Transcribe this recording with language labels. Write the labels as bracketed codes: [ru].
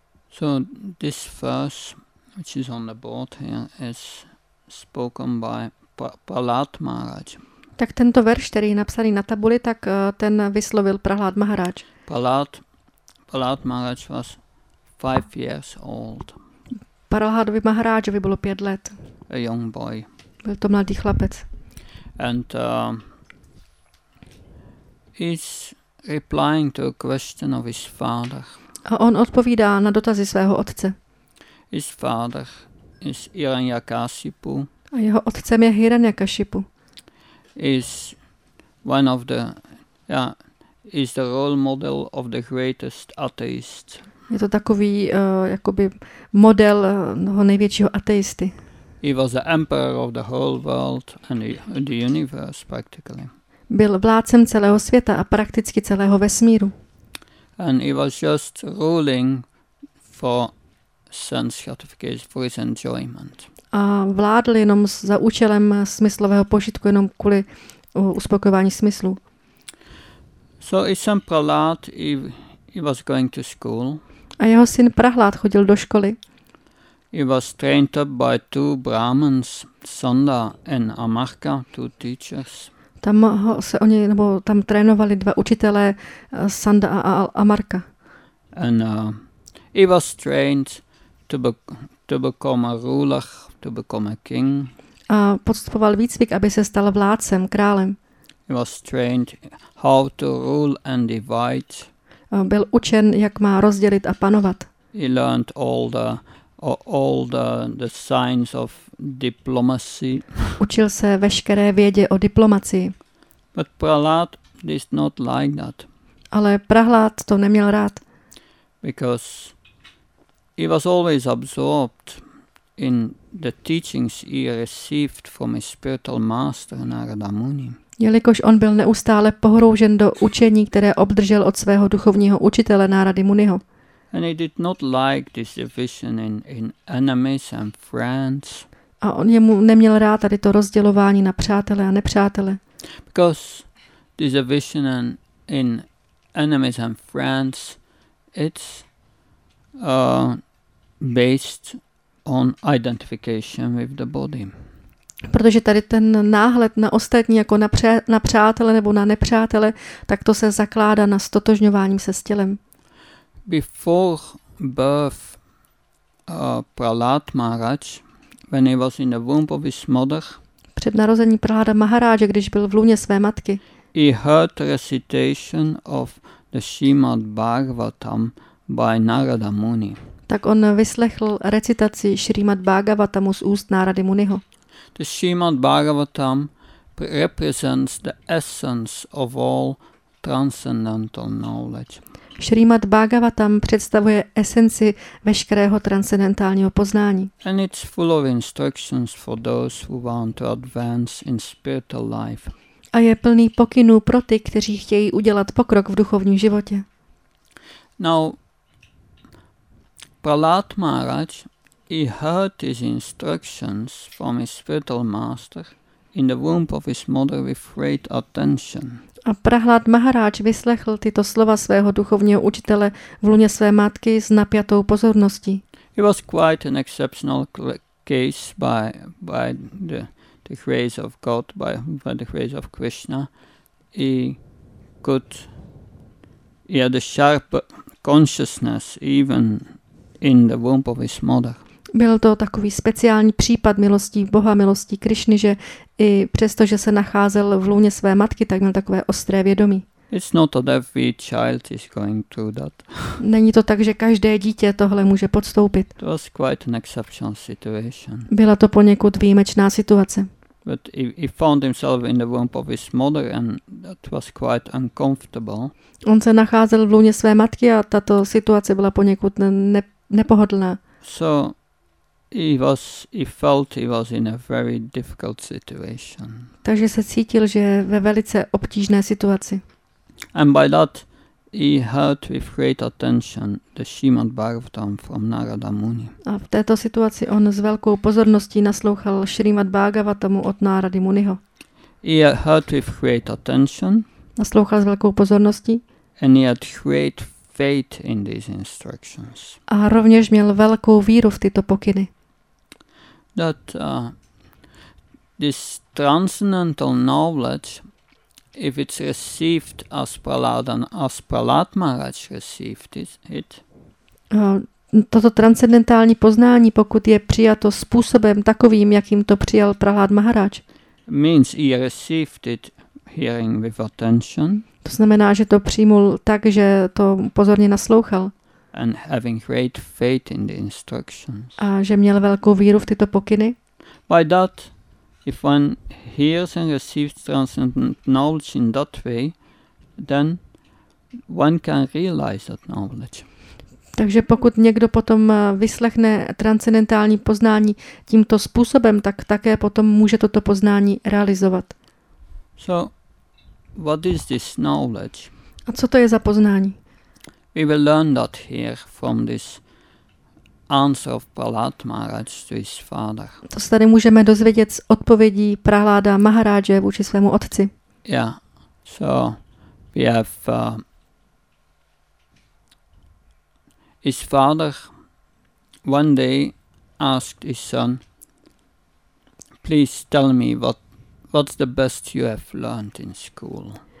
[en] So this verse, which is on the board here, is spoken by Prahlad Maharaj. [cs] Tak tento verš, který je napsaný na tabuli, tak ten vyslovil Prahlad Maharaj. [en] Prahlad Maharaj was 5 years old. [cs] Prahladovi Maharajovi bylo 5 let. [en] A young boy. [cs] Byl to mladý chlapec. [en] And he's replying to a question of his father. [cs] A on odpovídá na dotazy svého otce. [en] His father is Hiranyakashipu. [cs] A jeho otcem je Hiranyakashipu. [en] Is one of the is the role model of the greatest atheist. [cs] Je to takový jakoby model toho největšího ateisty. [en] He was the emperor of the whole world and the universe practically. [cs] Byl vládcem celého světa a prakticky celého vesmíru. [en] And he was just ruling for sense gratification, for his enjoyment. [cs] A vládl jenom za účelem smyslového požitku, jenom kvůli uspokojování smyslu. [en] So Isam Prahlad, he was going to school. [cs] A jeho syn Prahlad chodil do školy. [en] He was trained up by two Brahmins, Sonda and Amarka, two teachers. [cs] Tam se oni, nebo tam trénovali dva učitelé, Sanda a Amarka. [en] And he was trained to become a ruler, to become a king. [cs] A podstupoval výcvik, aby se stal vládcem, králem. [en] He was trained how to rule and divide. [cs] Byl učen, jak má rozdělit a panovat. [en] He learned all the signs of diplomacy. [cs] Učil se veškeré vědě o diplomacii. [en] But Prahlad did not like that. [cs] Ale Prahlad to neměl rád. [en] Because he was always absorbed in the teachings he received from his spiritual master Narada Muni. [cs] Jelikož on byl neustále pohroužen do učení, které obdržel od svého duchovního učitele Narady Muniho. [en] And he did not like this division in enemies and friends. [cs] A on jemu neměl rád tady to rozdělování na přátele a nepřátele. [en] Because this division in enemies and friends, it's based on identification with the body. [cs] Protože tady ten náhled na ostatní jako na přátele nebo na nepřátele, tak to se zakládá na ztotožňování se s tělem. [en] Before birth, Prahlad Maharaj, when he was in the womb of his mother, [cs] před narozením Prahlada Maharaja, když byl v lůně své matky, [en] he heard recitation of the Srimad Bhagavatam by Narada Muni. [cs] Tak on vyslechl recitaci Srimad Bhagavatamu z úst Narady Muniho. [en] The Srimad Bhagavatam represents the essence of all transcendental knowledge. [cs] Srimad Bhagavatam představuje esenci veškerého transcendentálního poznání. [en] And it's full of instructions for those who want to advance in spiritual life. [cs] A je plný pokynů pro ty, kteří chtějí udělat pokrok v duchovním životě. [en] Now, Prahlad Maharaj, he heard his instructions from his spiritual master in the womb of his mother with great attention. [cs] A Prahlad Maharaj vyslechl tyto slova svého duchovního učitele v lůně své matky s napjatou pozorností. [en] It was quite an exceptional case by the grace of God, by the grace of Krishna. He had a sharp consciousness even in the womb of his mother. [cs] Byl to takový speciální případ milostí Boha, milostí Krišny, že i přesto, že se nacházel v lůně své matky, tak měl takové ostré vědomí. [en] It's not a every child is going through that. [cs] Není to tak, že každé dítě tohle může podstoupit. [en] It was quite an exceptional situation. [cs] Byla to poněkud výjimečná situace. [en] But he found himself in the womb of his mother and that was quite uncomfortable. [cs] On se nacházel v lůně své matky a tato situace byla poněkud nepohodlná. [en] So He felt he was in a very difficult situation. [cs] Takže se cítil, že je ve velice obtížné situaci. [en] And by that he heard with great attention the Srimad Bhagavatam from Narada Muni. [cs] A v této situaci on s velkou pozorností naslouchal Srimad Bhagavatamu od Narady Muniho. [en] He heard with great attention. [cs] Naslouchal s velkou pozorností. [en] And he had great faith in these instructions. [cs] A rovněž měl velkou víru v tyto pokyny. [en] That this transcendental knowledge, if it's received as Prahlad and as Prahlad Maharaj received it. [cs] Toto transcendentální poznání, pokud je přijato způsobem takovým, jakým to přijal Prahlad Maharaj. [en] Means he received it hearing with attention. [cs] To znamená, že to přijmul tak, že to pozorně naslouchal. [en] And having great faith in the instructions. [cs] A že měl velkou víru v tyto pokyny. [en] By that, if one hears and receives transcendent knowledge in that way, then one can realize that knowledge. [cs] Takže pokud někdo potom vyslechne transcendentální poznání tímto způsobem, tak také potom může toto poznání realizovat. [en] So, what is this knowledge? [cs] A co to je za poznání? [en] We will learn that here from this answer of Prahlad Maharaj to his father. [cs] To se tady můžeme dozvědět z odpovědí Prahláda Maharáže vůči svému otci. [en] Yeah, so we have his father one day asked his son, please tell me what's the best you have learned in school.